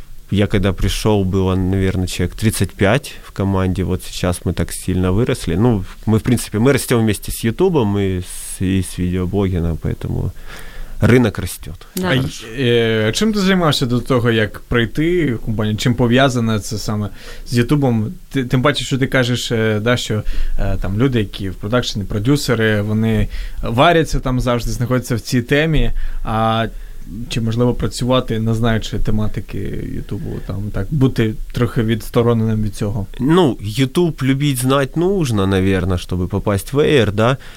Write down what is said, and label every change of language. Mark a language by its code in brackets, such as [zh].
[ru] Я когда пришел, было, наверное, человек 35 в команде, вот сейчас мы так сильно выросли. Ну, мы, в принципе, мы растем вместе с Ютубом и с видеоблогером, поэтому рынок растет. Да. Чем ты занимаешься до того, как пройти в компанию? [uk] Чем пов'язано це саме с Ютубом? Тим паче, що ти кажеш, да, що там люди, які в продакшені, продюсери, вони варяться там завжди, знаходяться в цій темі, а чи можливо працювати, не знаючи тематики Ютубу, там так бути трохи відстороненим від цього? [ru] Ну, Ютуб [uk] любить знати [ru] нужно, наверное, щоб попасть в Air, да?